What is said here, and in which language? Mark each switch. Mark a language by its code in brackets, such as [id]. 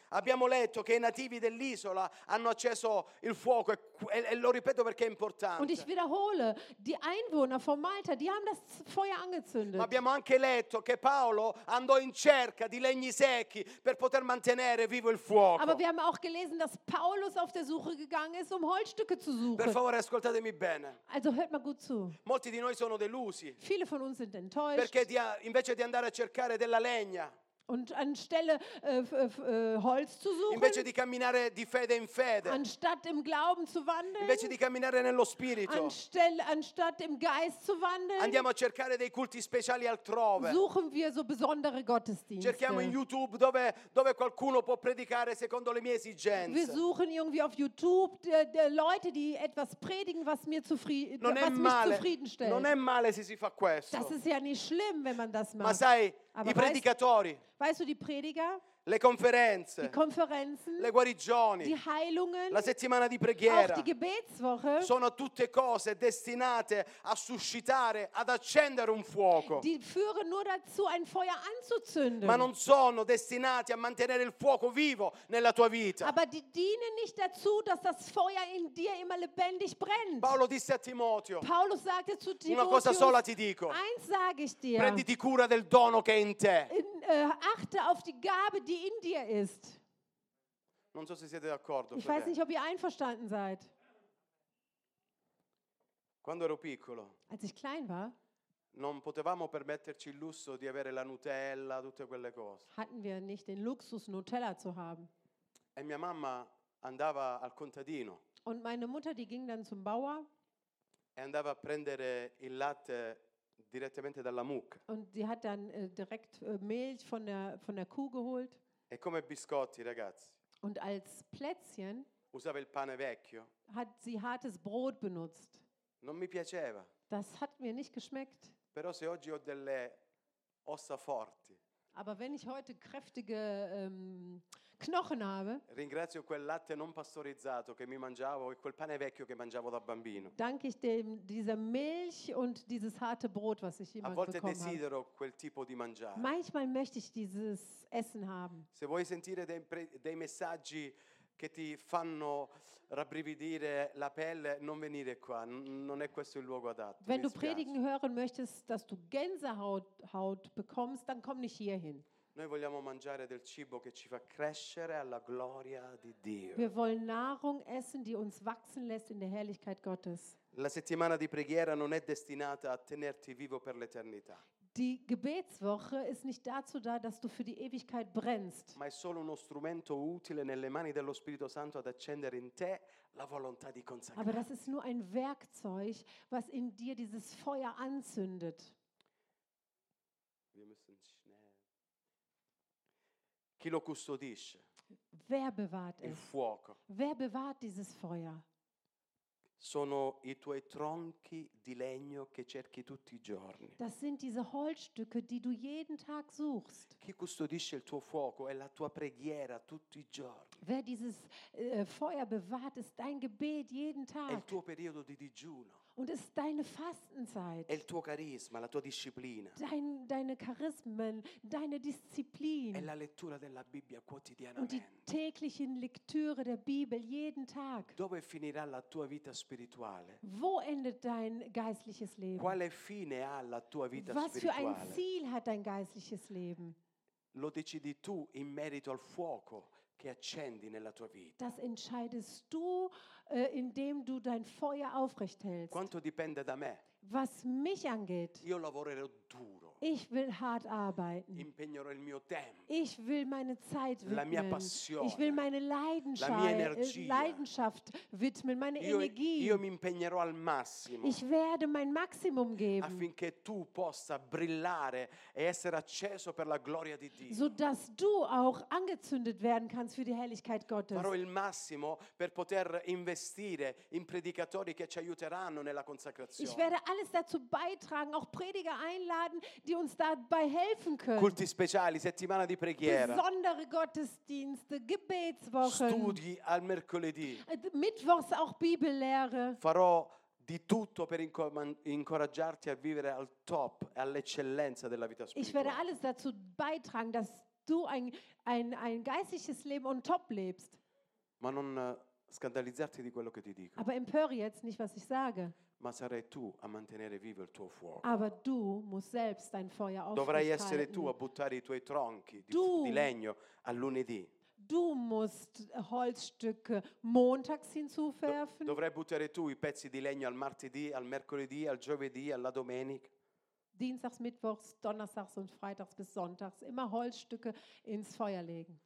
[it] Abbiamo letto che i nativi dell'isola hanno acceso il fuoco e lo ripeto perché è importante. [de] Und ich wiederhole, die Einwohner von Malta, die haben das Feuer angezündet. [it] Ma abbiamo anche letto che Paolo andò in cerca di legni secchi per poter mantenere vivo il fuoco. [de] Aber wir haben auch gelesen, dass Paulus auf der Suche gegangen ist, um Holzstücke zu suchen. [it] Per favore, ascoltatemi bene. [de] Also hört mal gut zu. [it] Molti di noi sono delusi. [de] Viele von uns sind enttäuscht. [it] Perché invece di andare a cercare della legna. [de] Und anstelle Holz zu suchen. [it] Invece di camminare di fede in fede. [de] Anstatt im Glauben zu wandeln. [it] Invece di camminare nello spirito. [de] Anstatt im Geist zu wandeln. [it] Andiamo a cercare dei culti speciali altrove. [de] Suchen wir so besondere Gottesdienste. [it] Cerchiamo in YouTube dove qualcuno può predicare secondo le mie esigenze. [de] Wir suchen irgendwie auf YouTube Leute, die etwas predigen, was mir zufriedenstellt. [it] Non è male se si fa questo. [de] Das ist ja nicht schlimm, wenn man das macht. [it] Ma sai, [de] aber [it] i predicatori. [de] Weißt du, die Prediger? [it] Le conferenze, [de] die Konferenzen, [it] le guarigioni, [de] die Heilungen, [it] la settimana di preghiera, [de] auch die Gebetswoche, [it] sono tutte cose destinate a suscitare, ad accendere un fuoco. [de] Die führen nur dazu, ein Feuer anzuzünden. [it] Ma non sono destinati a mantenere il fuoco vivo nella tua vita. [de] Aber die dienen nicht dazu, dass das Feuer in dir immer lebendig brennt. [it] Paolo disse a Timoteo. [de] Paulus sagte zu Timotheus. [it] Una cosa sola ti dico. [de] Eins sage ich dir. [it] Prenditi cura del dono che è in te. [de] Achte auf die Gabe, die in dir ist. [it] Non so se siete d'accordo. [de] Ich weiß nicht, ob ihr einverstanden seid. [it] Quando ero piccolo, [de] als ich klein war, [it] non potevamo permetterci il lusso di avere la Nutella, tutte quelle cose. [de] Hatten wir nicht den Luxus, Nutella zu haben. [it] E mia mamma andava al contadino. [de] Und meine Mutter, die ging dann zum Bauer. [it] E andava a prendere il latte direttamente dalla mucca. [de] Und sie hat dann direkt Milch von der Kuh geholt. [it] E come biscotti, ragazzi. [de] Und als Plätzchen. [it] Usava il pane vecchio. [de] Hat sie hartes Brot benutzt. [it] Non mi piaceva. [de] Das hat mir nicht geschmeckt. [it] Però se oggi ho delle ossa forti. [de] Aber wenn ich heute kräftige Knochen habe, [it] ringrazio quel latte non pastorizzato che mi mangiavo e quel pane vecchio che mangiavo da bambino. [de] Danke ich dem dieser Milch und dieses harte Brot, was ich immer bekommen habe. [it] A volte desidero quel tipo di mangiare. [de] Manchmal möchte ich dieses Essen haben. [it] Se vuoi sentire dei messaggi che ti fanno rabbrividire la pelle, non venire qua, non è questo il luogo adatto. [de] Wenn du Predigen hören möchtest, dass du Gänsehaut bekommst, dann komm nicht hierhin. [it] Noi vogliamo mangiare del cibo che ci fa crescere alla gloria di Dio. [de] Wir wollen Nahrung essen, die uns wachsen lässt in der Herrlichkeit Gottes. [it] La settimana di preghiera non è destinata a tenerti vivo per l'eternità. [de] Die Gebetswoche ist nicht dazu da, dass du für die Ewigkeit brennst. [it] Ma è solo uno strumento utile nelle mani dello Spirito Santo ad accendere in te la volontà di consacrare. [de] Aber das ist nur ein Werkzeug, was in dir dieses Feuer anzündet. Wir müssen schnell. [it] Chi lo custodisce? [de] Wer bewahrt es? [it] Il fuoco. [de] Wer bewahrt dieses Feuer? [it] Sono i tuoi tronchi di legno che cerchi tutti i giorni. [de] Das sind diese Holzstücke, die du jeden Tag suchst. [it] Chi custodisce il tuo fuoco è la tua preghiera tutti i giorni. [de] Wer dieses Feuer bewahrt, ist dein Gebet jeden Tag. [it] È il tuo periodo di digiuno. [de] Und ist deine Fastenzeit. [it] È il tuo carisma, la tua disciplina. [de] Deine Charismen, deine Disziplin. [it] È la lettura della Bibbia quotidianamente. [de] Und die tägliche Lektüre der Bibel jeden Tag. [it] Dove finirà la tua vita spirituale? [de] Wo endet dein geistliches Leben? [it] Quale fine ha la tua vita spirituale? [de] Was für ein Ziel hat dein geistliches Leben? [it] Lo decidi tu in merito al fuoco che accendi nella tua vita. [de] Das entscheidest du, indem du dein Feuer aufrecht hältst. [it] Quanto dipende da me? [de] Was mich angeht. [it] Io lavorerò duro. [de] Ich will hart arbeiten. [it] Impegnerò il mio tempo. [de] Ich will meine Zeit widmen. [it] La mia passione. [de] Ich will meine Leidenschaft. [it] La mia energia. [de] Leidenschaft widmen, meine Energie. [it] Io mi impegnerò al massimo. [de] Ich werde mein Maximum geben. [it] Affinché tu possa brillare e essere acceso per la gloria di Dio. [de] So dass du auch angezündet werden kannst für die Herrlichkeit Gottes. [it] Farò il massimo per poter investire in predicatori che ci aiuteranno nella consacrazione. [de] Ich werde alles dazu beitragen, auch Prediger einladen, die uns dabei helfen können. [it] Culti speciali, settimana di preghiera. [de] Besondere Gottesdienste, Gebetswochen. [it] Studi al mercoledì. [de] Mittwochs auch Bibellehre. [it] Farò di tutto per incoraggiarti a vivere al top, all'eccellenza della vita spirituale. [de] Ich werde alles dazu beitragen, dass du ein geistliches Leben [en] on top [de] lebst. [it] Ma non scandalizzarti di quello che ti dico. [de] Aber empöre jetzt nicht, was ich sage. [it] Ma sarai tu a mantenere vivo il tuo fuoco. [de] Aber du musst selbst dein Feuer aufrecht. [it] Dovrai essere tu a buttare i tuoi tronchi di legno a lunedì. [de] Du musst Holzstücke montags hinzuwerfen. [it] Dovrai buttare tu i pezzi di legno al martedì, al mercoledì, al giovedì, alla domenica. [de] Dienstags, mittwochs, donnerstags und freitags bis sonntags immer Holzstücke ins Feuer legen.